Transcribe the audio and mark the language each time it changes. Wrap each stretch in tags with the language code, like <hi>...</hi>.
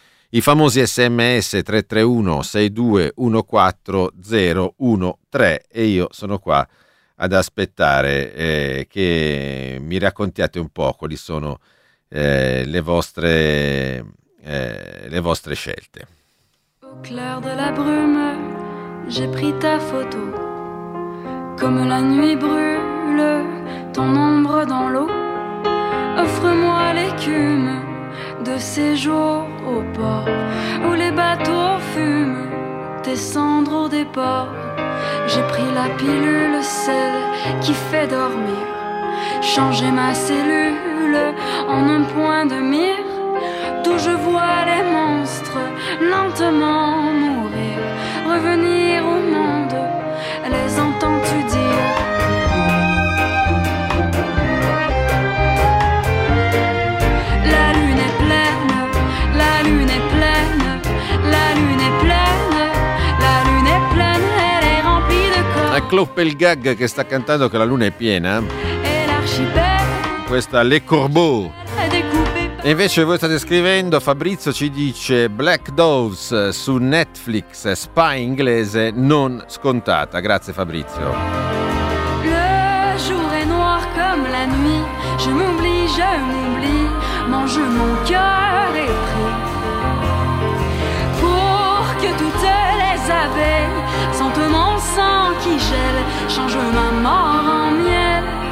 <it>i famosi SMS 331 62 14013, e io sono qua ad aspettare che mi raccontiate un po' quali sono le vostre scelte.</it> <fr>Clair de la brume, j'ai pris ta photo. Comme la nuit brûle, ton ombre dans l'eau. Offre-moi l'écume de ces jours au port, où les bateaux fument tes cendres au départ. J'ai pris la pilule, celle qui fait dormir. Changer ma cellule en un point de mire. D'où je vois les monstres lentement mourir, revenir au monde, les entends-tu dire? La lune est pleine, la lune est pleine, la lune est pleine, la lune est pleine, elle est remplie de corps.</fr> <it>A Clopelgag che sta cantando che la luna è piena.</it> <fr>Et l'archipel.</fr> <it>Questa Le Corbeau. E invece voi state scrivendo, Fabrizio ci dice Black Doves su Netflix, spy inglese non scontata. Grazie Fabrizio.</it> <fr>Le jour est noir comme la nuit, je m'oublie, mange mon cœur et prie. Pour que toutes les abeilles sentent mon sang qui gèle, change ma mort en miel.</fr>